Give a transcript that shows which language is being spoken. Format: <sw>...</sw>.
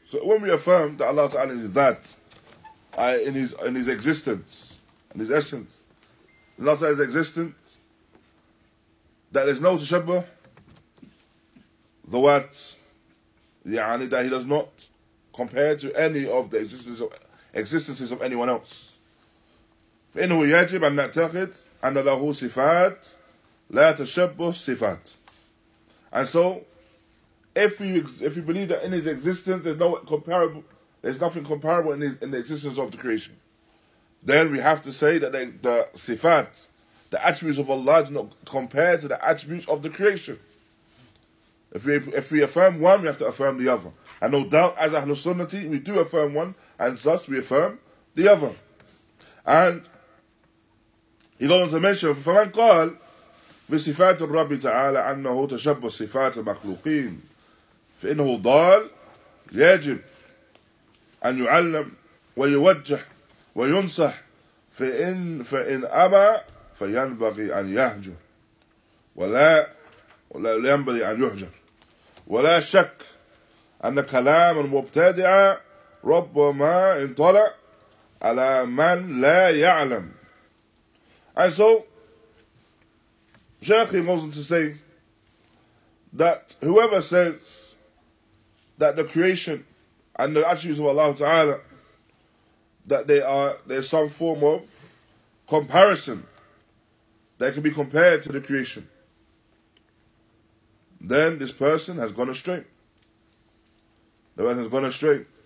<en>So when we affirm that Allah ta'ala is that, in his existence, in his essence, Allah ta'ala is existent, that there's no tashabbuh, the what, yani, that he does not compare to any of the existences of anyone else.</en> <ar>فإنه يجب أن نعتقد أن له صفات لا تشبه صفات.</ar> <en>And so, if you believe that in his existence there's nothing comparable in the existence of the creation, then we have to say that the صفات, the attributes of Allah, do not compare to the attributes of the creation. If we affirm one, we have to affirm the other. And no doubt, as Ahlul Sunnati, we do affirm one, and thus we affirm the other. And he goes on to mention,</en> <ar>فَمَنْ قَالْ فِي صِفَاتِ الرَّبِّ تَعَالَى أَنَّهُ تَشَبُّ صِفَاتِ الْمَخْلُوقِينَ فَإِنَّهُ ضال يجب أن يعلم ويوجه وينصح فإن أبى فينبغي أن يهجر ولا ينبغي أن يهجر ولا شك أن كلام المبتدع ربما انطلع على من لا يعلم.</ar> <en>And so, Shaykh goes on to say that whoever says that the creation and the attributes of Allah Ta'ala, that there's some form of comparison that can be compared to the creation, then this person has gone astray. The person has gone astray.</en>